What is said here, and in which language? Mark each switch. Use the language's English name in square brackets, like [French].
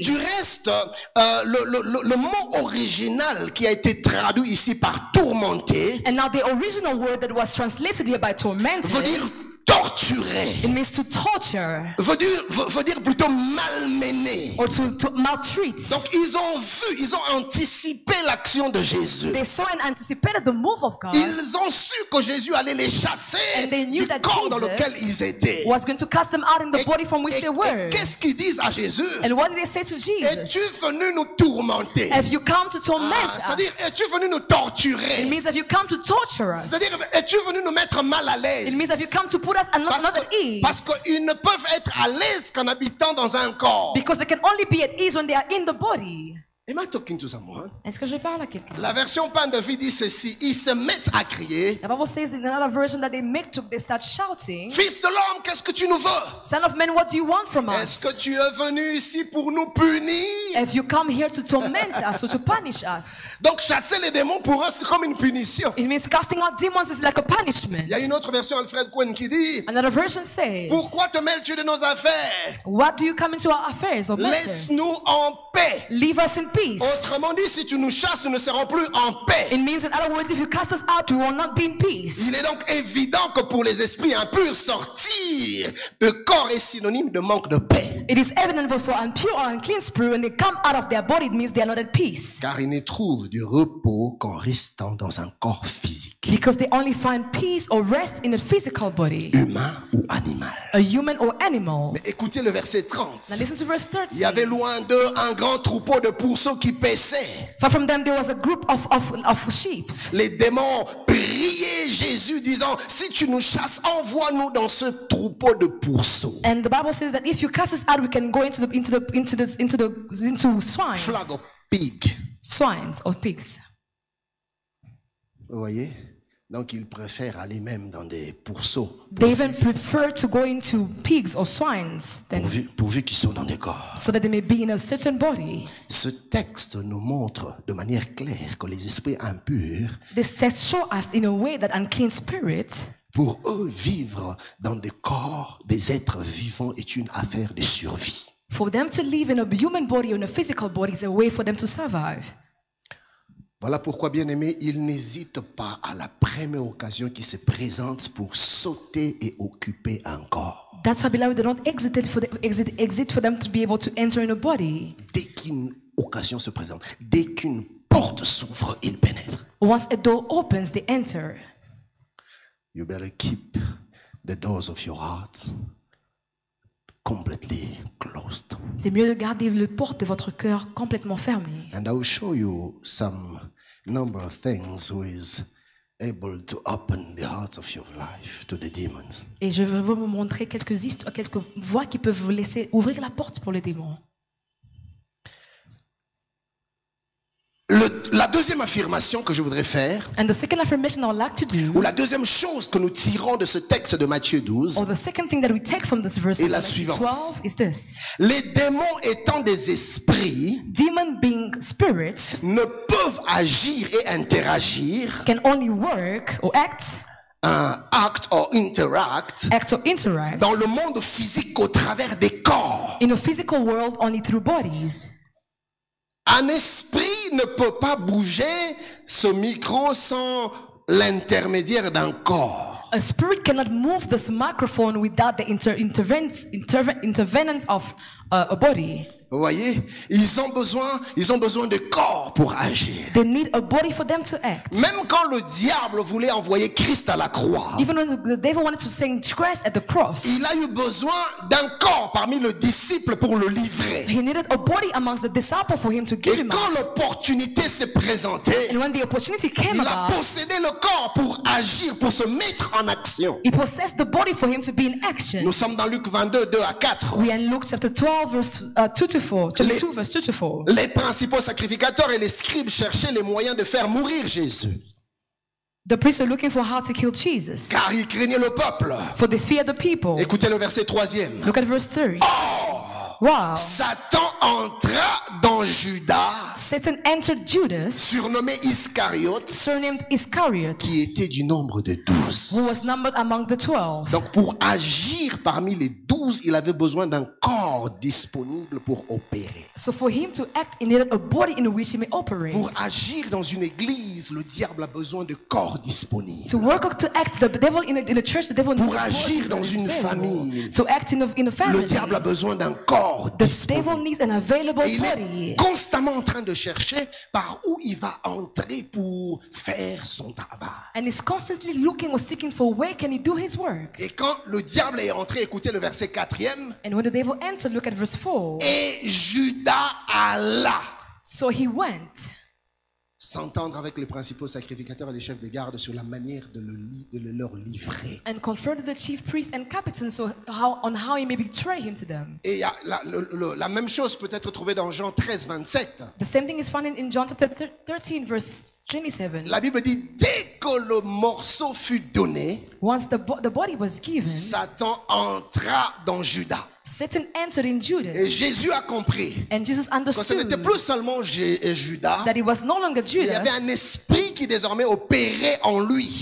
[French] et du reste, le mot original qui a été traduit ici par tourmenter, [English] and now the original word that was translated here by tormented, [French] veut dire torturer. [English] It means to torture. [French] Veut dire plutôt malmener. [English] Or to maltreat. [French] Donc ils ont vu, ils ont anticipé l'action de Jésus. [English] They saw and anticipated the move of God. [French] Ils ont su que Jésus allait les chasser du corps dans lequel ils étaient. [English] Was going to cast them out in the body from which they were. [French] Et qu'est-ce qu'ils disent à Jésus? [English] And what did they say to Jesus? [French] Es-tu venu nous tourmenter? [English] Have you come to torment us? [French] C'est-à-dire, es-tu venu nous torturer? [English] It means have you come to torture us? [French] C'est-à-dire, es-tu venu nous mettre mal à l'aise? [English] It means have you come to put us another ease. [French] Parce qu'ils ne peuvent être à l'aise qu'en habitant dans un corps. [English] Because they can only be at ease when they are in the body. Am I talking to someone? [French] Est-ce que je parle à quelqu'un? La version Pain de Vie dit ceci. Ils se mettent à crier. [English] The Bible says in another version that they start shouting. [French] Fils de l'homme, qu'est-ce que tu nous veux? [English] Son of man, what do you want from us? [French] Est-ce que tu es venu ici pour nous punir? [English] If you come here to torment us or to punish us. [French] Donc chasser les démons pour eux c'est comme une punition. [English] It means casting out demons is like a punishment. [French] Il y a une autre version Alfred Quinn qui dit. [English] Another version says. [French] Pourquoi te mêles-tu de nos affaires? [English] What do you come into our affairs or matters? [French] Laisse-nous en paix. [English] Leave us in peace. [French] Autrement dit, si tu nous chasses, nous ne serons plus en paix. [English] It means in other words, if you cast us out, we will not be in peace. [French] Il est donc évident que pour les esprits impurs, sortir de corps est synonyme de manque de paix. [English] It is evident that for impure or unclean spirit, when they come out of their body, it means they are not at peace. [French] Car ils ne trouvent du repos qu'en restant dans un corps physique. [English] Because they only find peace or rest in a physical body. [French] Humain ou animal. [English] A human or animal. [French] Mais écoutez le verset 30. [English] Now listen to verse 30. [French] Il y avait loin d'eux un grand troupeau de pourceaux qui paissaient. [English] Far from them there was a group of sheep. [French] Les démons prier Jésus disant, si tu nous chasses, envoie-nous dans ce troupeau de pourceaux. [English] And the Bible says that if you cast us out, we can go into swine. Flock of pigs. Swines or pigs. [French] Vous voyez? Donc ils préfèrent aller même dans des pourceaux. [English] They even prefer to go into pigs or swines than [French] pourvu qu'ils soient dans des corps. [English] So that they may be in a certain body. [French] Ce texte nous montre de manière claire que les esprits impurs. [English] This text shows us in a way that unclean spirits. [French] Pour eux, vivre dans des corps des êtres vivants est une affaire de survie. [English] For them to live in a human body or in a physical body is a way for them to survive. [French] Voilà pourquoi, bien-aimés, ils n'hésitent pas à la première occasion qui se présente pour sauter et occuper un corps. [English] That's why, beloved, they don't exit for them to be able to enter in a body. [French] Dès qu'une occasion se présente, dès qu'une porte s'ouvre, ils pénètrent. [English] Once a door opens, they enter. You better keep the doors of your heart completely closed. [French] C'est mieux de garder les portes de votre cœur complètement fermées. [English] And I will show you some number of things who is able to open the hearts of your life to the demons. [French] Et je vais vous montrer quelques histoires, quelques voix qui peuvent vous laisser ouvrir la porte pour les démons. La deuxième affirmation que je voudrais faire, [English] and the second affirmation I would like to do, [French] ou la deuxième chose que nous tirons de ce texte de Matthieu 12, [English] or the second thing that we take from this verse [French] est la suivante. [English] 12 is this. [French] Les démons étant des esprits, [English] demon being spirits, [French] ne peuvent agir et interagir, [English] can only work or act, act or interact [French] dans le monde physique au travers des corps. [English] In a physical world only through bodies. [French] Un esprit ne peut pas bouger ce micro sans l'intermédiaire d'un corps. [English] A spirit cannot move this microphone without the intervention of a body. [French] Vous voyez, ils ont besoin de corps pour agir. [English] They need a body for them to act. [French] Même quand le diable voulait envoyer Christ à la croix. [English] Even when the devil wanted to send Christ at the cross. [French] Il a eu besoin d'un corps parmi les disciples pour le livrer. [English] He needed a body amongst the disciples for him to give [French] him. Et quand l'opportunité s'est présentée. [English] And when the opportunity came [French] about. Il a possédé le corps pour agir, pour se mettre en action. [English] He possessed the body for him to be in action. [French] Nous sommes dans Luc 22, 2 à 4. [English] We are in Luke chapter 12 verse 2 to 4. [French] Les principaux sacrificateurs et les scribes cherchaient les moyens de faire mourir Jésus. [English] The priests were looking for how to kill Jesus. [French] Car ils craignaient le peuple. [English] For they feared the people. [French] Écoutez le verset 3e. [English] Look at verse 3. Oh! Wow. [French] Satan entra dans Judas. [English] Satan entered Judas. [French] Surnommé Iscariote. [English] Surnamed Iscariot. [French] Qui était du nombre de 12. [English] Who was numbered among the 12. [French] Donc pour agir parmi les 12, il avait besoin d'un corps disponible pour opérer. [English] So for him to act, he needed a body in which he may operate. [French] Pour agir dans une église, le diable a besoin de corps disponibles. [English] To work or to act, the devil in a church, the devil needs. [French] Pour agir dans une famille, [English] to act in a family, [French] le diable a besoin d'un corps disponible. [English] The devil needs an available [French] il [English] body. [French] Il est constamment en train de chercher par où il va entrer pour faire son travail. [English] And he's constantly looking or seeking for where can he do his work. [French] Et quand le diable est entré, écoutez le verset. [English] And when the devil entered, look at verse 4. [French] Et Judas alla. [English] So he went. [French] S'entendre avec les principaux sacrificateurs et les chefs de garde sur la manière de le leur livrer. [English] And confronted the chief priests and captains on how he may betray him to them. [French] Et la même chose peut être trouvée dans Jean 13, 27. [English] The same thing is found in John chapter 13, verse 27. [French] La Bible dit, dès que le morceau fut donné, [English] once the body was given, [French] Satan entra dans Judas. [English] Satan entered in Judas. [French] Et Jésus a compris. [English] And Jesus understood. [French] Que ce n'était plus seulement Judas. [English] That it was no longer Judas. [French] Il y avait un esprit qui désormais opérait en lui.